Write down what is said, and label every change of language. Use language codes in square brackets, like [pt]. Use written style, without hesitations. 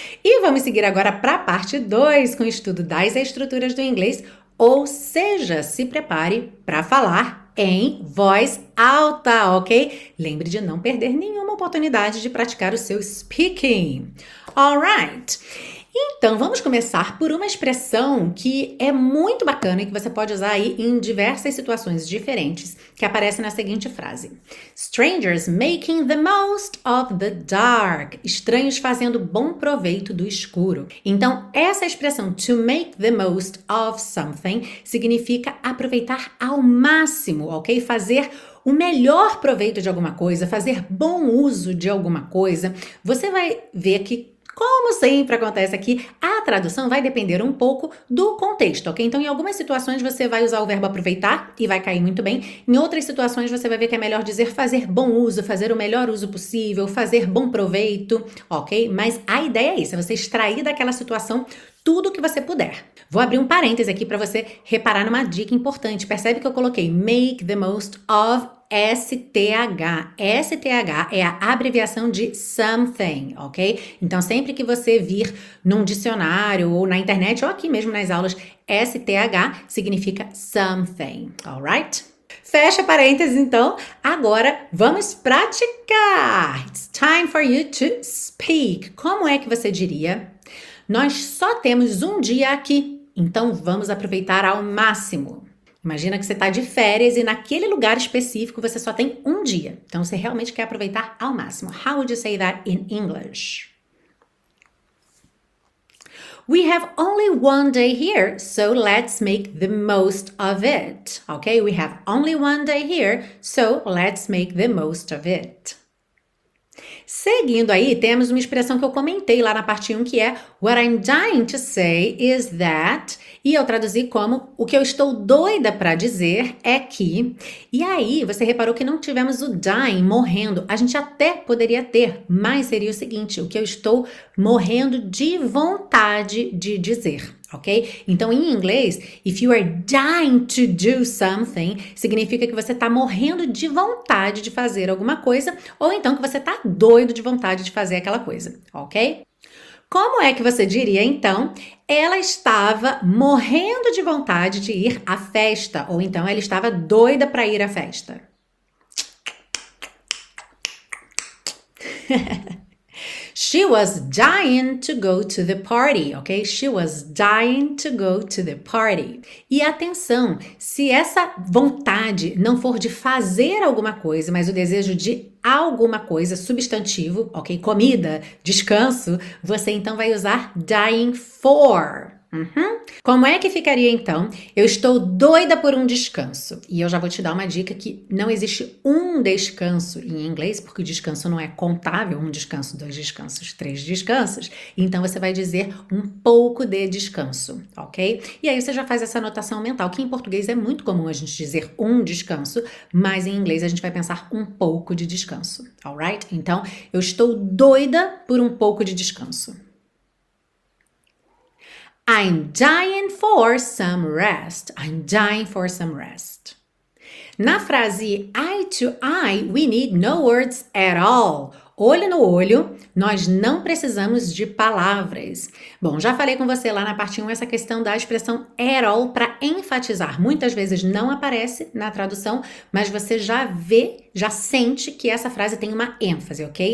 [pt] E vamos seguir agora para a parte 2 com o estudo das estruturas do inglês, ou seja, se prepare para falar em voz alta, ok? Lembre de não perder nenhuma oportunidade de praticar o seu speaking. Alright! Então, vamos começar por uma expressão que é muito bacana e que você pode usar aí em diversas situações diferentes, que aparece na seguinte frase. [en] Strangers making the most of the dark. [pt] Estranhos fazendo bom proveito do escuro. Então, essa expressão, [en] to make the most of something, [pt] significa aproveitar ao máximo, ok? Fazer o melhor proveito de alguma coisa, fazer bom uso de alguma coisa. Você vai ver que Como sempre acontece aqui, a tradução vai depender um pouco do contexto, ok? Então, em algumas situações você vai usar o verbo aproveitar e vai cair muito bem. Em outras situações você vai ver que é melhor dizer fazer bom uso, fazer o melhor uso possível, fazer bom proveito, ok? Mas a ideia é isso, é você extrair daquela situação tudo que você puder. Vou abrir um parêntese aqui para você reparar numa dica importante. Percebe que eu coloquei make the most of STH. STH é a abreviação de something, ok? Então, sempre que você vir num dicionário ou na internet ou aqui mesmo nas aulas, STH significa something, alright? Fecha parênteses, então. Agora, vamos praticar! [en] It's time for you to speak. [pt] Como é que você diria? Nós só temos um dia aqui, então vamos aproveitar ao máximo. Imagina que você está de férias e naquele lugar específico você só tem um dia. Então você realmente quer aproveitar ao máximo. [en] How would you say that in English? We have only one day here, so let's make the most of it. Okay? We have only one day here, so let's make the most of it. [pt] Seguindo aí, temos uma expressão que eu comentei lá na parte 1, que é [en] What I'm dying to say is that. [pt] E eu traduzi como o que eu estou doida para dizer é que. E aí, você reparou que não tivemos o dying, morrendo. A gente até poderia ter, mas seria o seguinte: o que eu estou morrendo de vontade de dizer. Ok? Então, em inglês, [en] if you are dying to do something, [pt] significa que você está morrendo de vontade de fazer alguma coisa, ou então que você está doido de vontade de fazer aquela coisa, ok? Como é que você diria, então, ela estava morrendo de vontade de ir à festa, ou então ela estava doida para ir à festa? [en] She was dying to go to the party, ok? She was dying to go to the party. [pt] E atenção, se essa vontade não for de fazer alguma coisa, mas o desejo de alguma coisa, substantivo, ok? Comida, descanso, você então vai usar dying for. Como é que ficaria então? Eu estou doida por um descanso. E eu já vou te dar uma dica que não existe um descanso em inglês, porque o descanso não é contável, um descanso, dois descansos, três descansos. Então você vai dizer um pouco de descanso, ok? E aí você já faz essa anotação mental, que em português é muito comum a gente dizer um descanso, mas em inglês a gente vai pensar um pouco de descanso, alright? Então eu estou doida por um pouco de descanso. [en] I'm dying for some rest. I'm dying for some rest. Na frase eye to eye, we need no words at all. [pt] Olho no olho, nós não precisamos de palavras. Bom, já falei com você lá na parte 1 essa questão da expressão at all para enfatizar. Muitas vezes não aparece na tradução, mas você já vê, já sente que essa frase tem uma ênfase, ok?